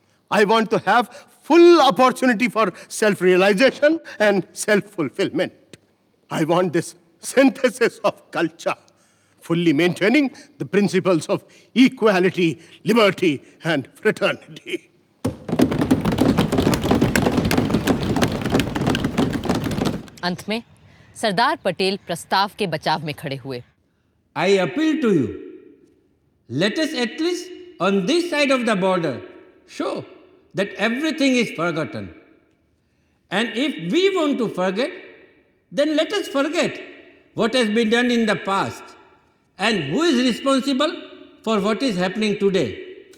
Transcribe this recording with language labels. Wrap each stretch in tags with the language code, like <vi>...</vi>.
<en>I want to have full opportunity for self-realization and self-fulfillment. I want this synthesis of culture, fully maintaining the principles of equality, liberty, and fraternity.</en> <hi>अंत में सरदार पटेल प्रस्ताव के बचाव में खड़े हुए।</hi> <en>I appeal to you, let us at least on this side of the border show that everything is forgotten. And if we want to forget, then let us forget what has been done in the past and who is responsible for what is happening today.</en>